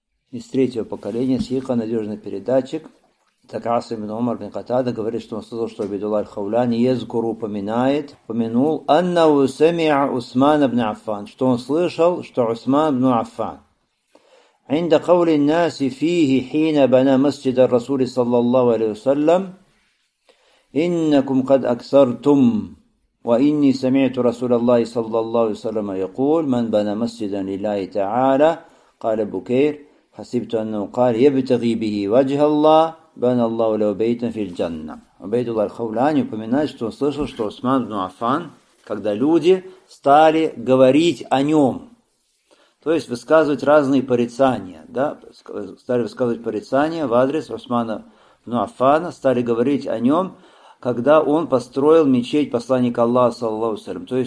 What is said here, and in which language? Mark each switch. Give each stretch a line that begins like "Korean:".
Russian: Из третьего поколения, сиха, надежный передатчик. Так Асим ибн Умар ибн Катада говорит, что он слышал, что Абидулла аль-Хавляни
Arabic: язкуру
Russian: упоминает, упомянул,
Arabic: аннаху самиа
Russian: Усман ибн Аффан, что он слышал, что Усман ибн Аффан.
Arabic: Инда каули наси фихи хина бана масджида ар-расули саллаллаху алейхи ва саллям, иннакум кад аксартум. وإني سمعت رسول الله صلى الله عليه وسلم يقول من بنى مسجدا لله تعالى قال بكير حسبت أنه قال يبتغي به وجه الله بنى الله له بيتا في الجنة.
Russian: عبيد الله الخولاني упоминает, что он слышал, что Усман ибн Аффан, когда люди стали говорить о нем, то есть высказывать разные порицания, да, стали высказывать порицания в адрес Усмана ибн Аффана, стали говорить о нем, когда он построил мечеть посланника Аллаха, саллаллаху алейхи ва саллям.